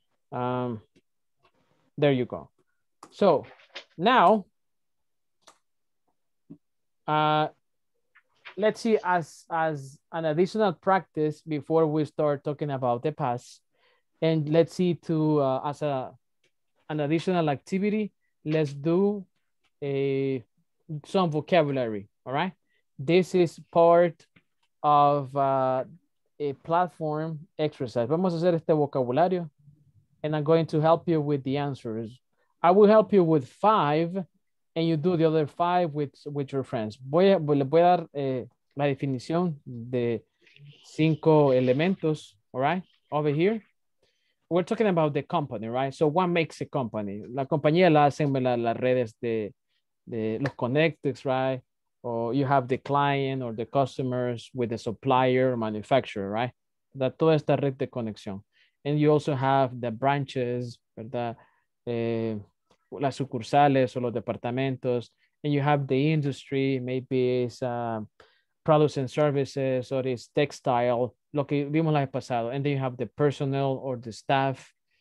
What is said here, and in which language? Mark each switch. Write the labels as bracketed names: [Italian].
[English] There you go. So now, let's see, as an additional practice before we start talking about the past, and let's see to as a an additional activity, let's do some vocabulary, all right? This is part of a platform exercise. [Spanish] Vamos a hacer este vocabulario, [English] and I'm going to help you with the answers. I will help you with five, and you do the other five with your friends. [Spanish] Le voy a dar la definición de cinco elementos, [English] all right? Over here. We're talking about the company, right? So what makes a company? [Spanish] La compañía la hacen las redes de los connectors, [English] right? Or you have the client or the customers with the supplier, manufacturer, right? That [Spanish] toda esta red de conexión. [English] And you also have the branches, ¿verdad? [Spanish] Las sucursales o los departamentos. [English] And you have the industry, maybe it's products and services, or it's textile, [Spanish] lo que vimos la vez pasado. [English] And then you have the personnel or the staff.